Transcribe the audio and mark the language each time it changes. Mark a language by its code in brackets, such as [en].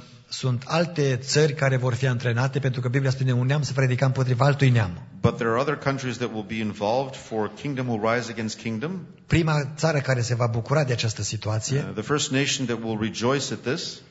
[ro] Sunt alte țări care vor fi antrenate, pentru că Biblia spune un neam să predica împotriva altui neam. [en] But there are other countries that will be involved for kingdom will rise against kingdom. [ro] Prima țară care se va bucura de această situație. [en] The first nation that will rejoice at this.